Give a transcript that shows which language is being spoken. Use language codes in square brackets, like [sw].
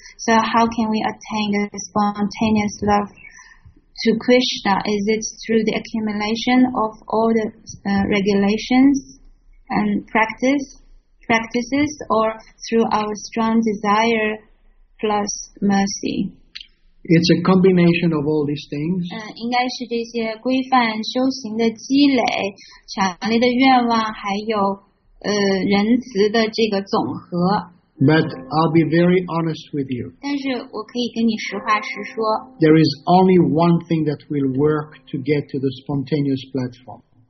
[en] So how can we attain the spontaneous love to Krishna? Is it through the accumulation of all the regulations and practices, or through our strong desire plus mercy? It's a combination of all these things. [zh] 应该是这些规范修行的积累, 强烈的愿望, 还有, 仁慈的这个总和。 [en] But I'll be very honest with you. [zh] 但是我可以跟你实话实说, [en] there is only one thing that will work to get to the spontaneous platform.